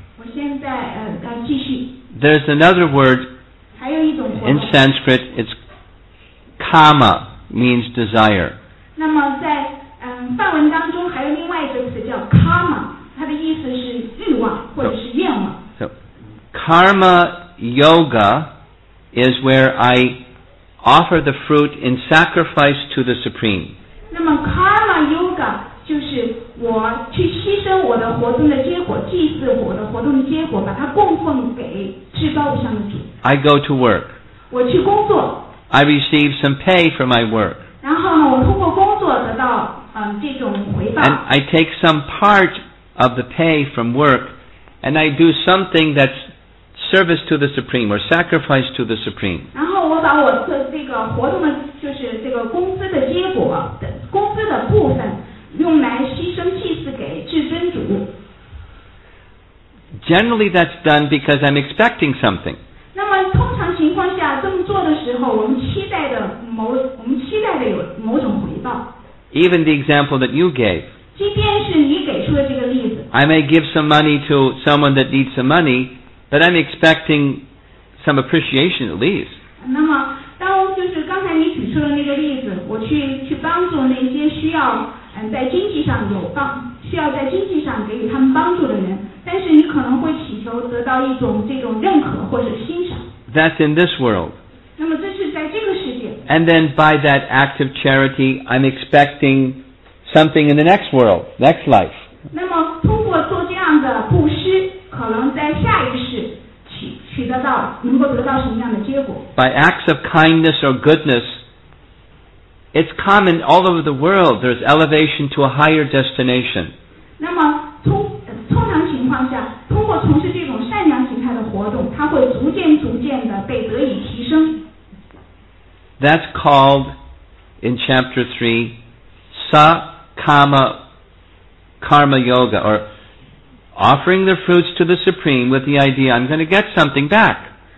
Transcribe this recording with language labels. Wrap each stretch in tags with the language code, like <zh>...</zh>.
<zh>我现在继续。</zh> <en>There's another word. In Sanskrit, it's kama, means desire.</en> <zh>那么在梵文当中还有另外一个词叫 karma, 它的意思是欲望或者是愿望。</zh> <en>So, karma yoga is where I offer the fruit in sacrifice to the Supreme.</en> <zh>那么 karma yoga 就是我去牺牲我的活动的结果，祭祀我的活动的结果，把它供奉给至高无上的主。</zh> <en>I go to work.</en> <zh>我去工作。</zh> <en>I receive some pay for my work.</en> <zh>然后呢，我通过工作得到这种回报。</zh> <en>And I take some part of the pay from work, and I do something that's service to the Supreme or sacrifice to the Supreme.</en> <zh>然后我把我的这个活动的，就是这个工资的结果的工资的部分。用来牺牲祭祀给至尊主。</zh> <en>Generally, that's done because I'm expecting something.</en> <zh>那么通常情况下这么做的时候，我们期待的有某种回报。</zh> <en>Even the example that you gave.</en> <zh>即便是你给出的这个例子。</zh> <en>I may give some money to someone that needs some money, but I'm expecting some appreciation at least.</en> <zh>那么当就是刚才你举出的那个例子，我去帮助那些需要。在经济上有帮需要在经济上给予他们帮助的人，但是你可能会祈求得到一种这种认可或者欣赏。</zh> <en>That's in this world.</en> <zh>那么这是在这个世界。</zh> <en>And then by that act of charity, I'm expecting something in the next world, next life.</en> <zh>那么通过做这样的布施，可能在下一世取得到能够得到什么样的结果</zh> <en>？By acts of kindness or goodness. It's common all over the world. There's elevation to a higher destination.</en> <zh>那么通常情况下，通过从事这种善良形态的活动，它会逐渐的被得以提升。</zh> <en>That's called in chapter 3, sa kama karma yoga, or offering the fruits to the Supreme with the idea I'm going to get something back.</en>